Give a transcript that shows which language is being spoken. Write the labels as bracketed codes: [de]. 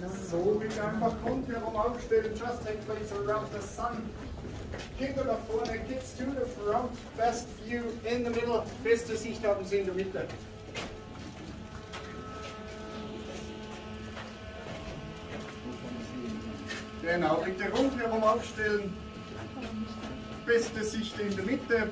[de] So, bitte einfach rundherum aufstellen. [en] Just take place around the sun. [de] Kinder nach vorne, [en] kids to the front. Best view in the middle. [de] Beste Sicht haben Sie in der Mitte. Genau, bitte rundherum aufstellen. Beste Sicht in der Mitte.